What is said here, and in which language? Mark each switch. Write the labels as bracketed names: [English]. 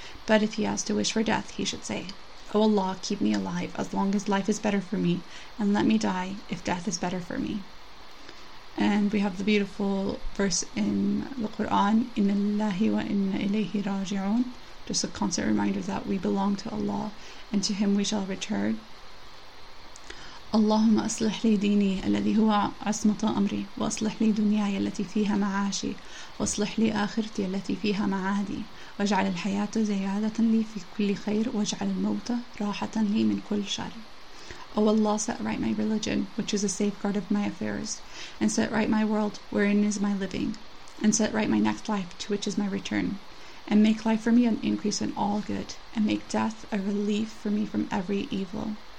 [English] But if he has to wish for death, he should say, O Allah, keep me alive as long as life is better for me, and let me die if death is better for me. And we have the beautiful verse in the Quran, [Arabic] إِنَّ اللَّهِ وَإِنَّ إِلَيْهِ رَاجِعُونَ. [English] Just a constant reminder that we belong to Allah and to Him we shall return. [Arabic] اللهم أصلح لي ديني الذي هو عصمة أمري وأصلح لي دنياي التي فيها معاشي وأصلح لي آخرتي التي فيها معادي واجعل الحياة زيادة لي في كل خير واجعل الموت راحة لي من كل شر. [English] O Allah, set right my religion, which is a safeguard of my affairs, and set right my world, wherein is my living, and set right my next life, to which is my return, and make life for me an increase in all good, and make death a relief for me from every evil.